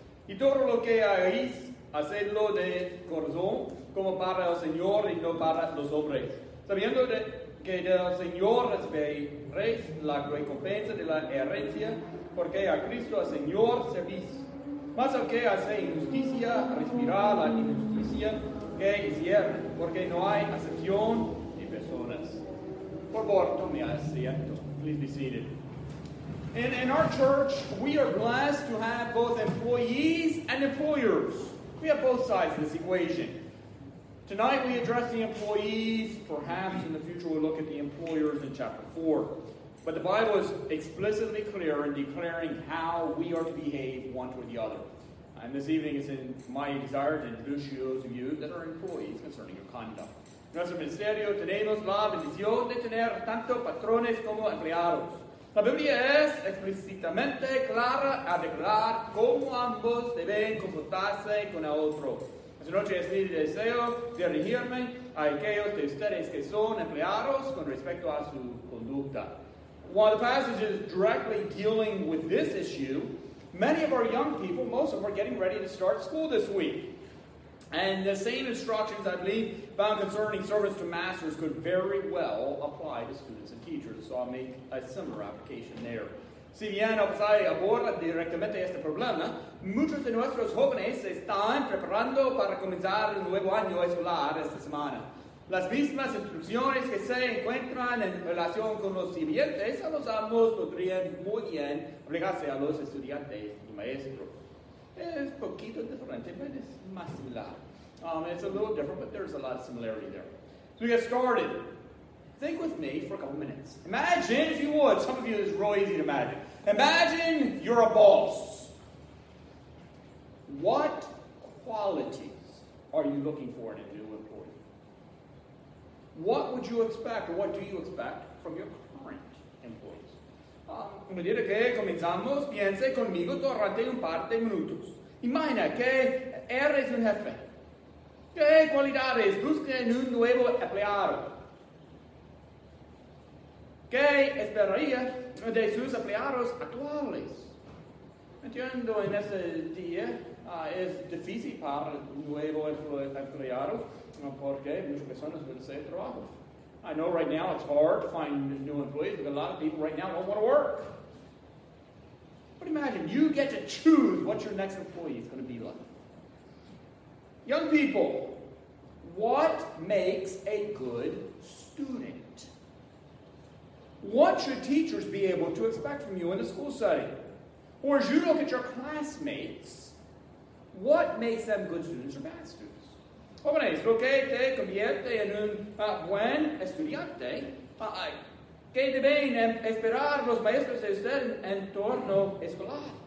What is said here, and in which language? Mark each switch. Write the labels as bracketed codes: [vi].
[es] Y todo lo que hagáis, hacedlo de corazón, como para el Señor y no para los hombres, sabiendo de que del Señor recibiréis la recompensa de la herencia, porque a Cristo el Señor servís. Mas el que hace injusticia recibirá la injusticia que hiciere, porque no hay acepción de personas. Por cuanto me asiento. [en] Please be seated. In our church, we are blessed to have both employees and employers. We have both sides of this equation. Tonight we address the employees, perhaps in the future we'll look at the employers in chapter 4. But the Bible is explicitly clear in declaring how we are to behave one toward the other. And this evening it's in my desire to introduce those of you that are employees concerning your conduct. [es] Nuestro ministerio tenemos la bendición de tener tanto patrones como empleados. La Biblia es explícitamente clara a declarar cómo ambos deben comportarse con el otro. Esta noche es mi deseo dirigirme a aquellos de ustedes que son empleados con respecto a su conducta. [en] While the passage is directly dealing with this issue, many of our young people, most of them, are getting ready to start school this week. And the same instructions, I believe, found concerning service to masters could very well apply to students and teachers. So I'll make a similar application there. [es] Si bien el pasaje aborda directamente este problema, muchos de nuestros jóvenes se están preparando para comenzar el nuevo año escolar esta semana. Las mismas instrucciones que se encuentran en relación con los sirvientes a los amos podrían muy bien aplicarse a los estudiantes y maestros. Es un poquito diferente, pero es más similar. [en] It's a little different, but there's a lot of similarity there. So we get started. Think with me for a couple minutes. Imagine, if you would, some of you, it's real easy to imagine. Imagine you're a boss. What qualities are you looking for in a new employee? What would you expect, or what do you expect from your current employees? [es] A medida que comenzamos, piense conmigo durante un par de minutos. Imagina que eres un jefe. ¿Qué cualidades busca en un nuevo empleado? ¿Qué esperaría de sus empleados actuales? Entiendo, en ese día es difícil para nuevo empleado porque muchas personas van a hacer trabajo. [en] I know right now it's hard to find new employees because a lot of people right now don't want to work. But imagine, you get to choose what your next employee is going to be like. Young people, what makes a good student? What should teachers be able to expect from you in a school setting? Or as you look at your classmates, what makes them good students or bad students? [es] Jóvenes, lo que te convierte en un buen estudiante, ¿qué deben esperar los maestros de usted en el entorno escolar?